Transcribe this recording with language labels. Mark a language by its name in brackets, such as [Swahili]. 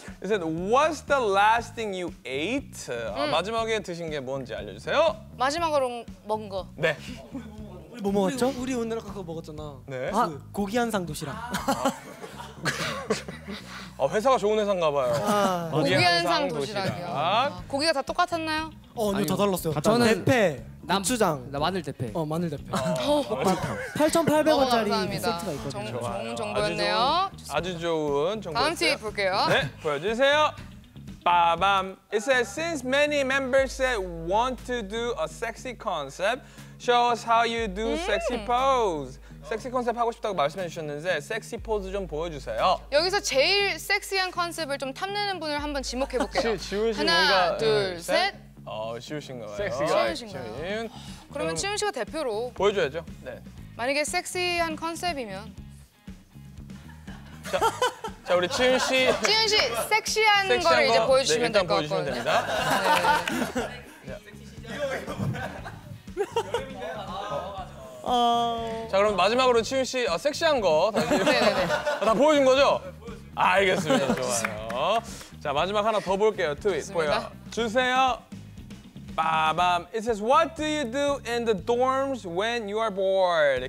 [English] He said, what's the last thing you ate? [Korean] 마지막에 드신 게 뭔지 알려주세요. 마지막으로 먹은 거. 네. 우리 뭐 먹었죠? 우리 오늘 아까 그거 먹었잖아. 네. 아, 고기 한상 도시락. 아, 회사가 좋은 회사인가 봐요. 고기 한상 도시락이요. 고기가 다 똑같았나요? 어, 아니요, 다 달랐어요. 아, 저는 대패, 고추장, 나 마늘 대패. 어, 마늘 대패. 8,800 원짜리 세트가 있거든요. 좋은 정보였네요. 아주 좋은 정보. 다음 팁 볼게요. 네, 보여주세요. 빠밤. [English] It says since many members said want to do a sexy concept, show us how you do sexy pose. [Korean] 섹시 컨셉 하고 싶다고 말씀해 주셨는데 섹시 포즈 좀 보여주세요. 여기서 제일 섹시한 컨셉을 좀 탐내는 분을 한번 지목해 볼게요. 지훈 씨 하나, 뭔가, 둘, 셋. 지우신가요? 섹시가요? 그러면 지훈 씨가 대표로 보여줘야죠. 네. 만약에 섹시한 컨셉이면 자 우리 지훈 씨. 지훈 씨 섹시한 걸 이제 보여주시면 네, 될 것 같거든요. 됩니다. 자 그럼 마지막으로 지훈 씨 섹시한 거 다 보여준 거죠? 아, 알겠습니다. 좋아요. 자 마지막 하나 더 볼게요. 트윗 보여 주세요. 빠밤. [English] It says what do you do in the dorms when you are bored?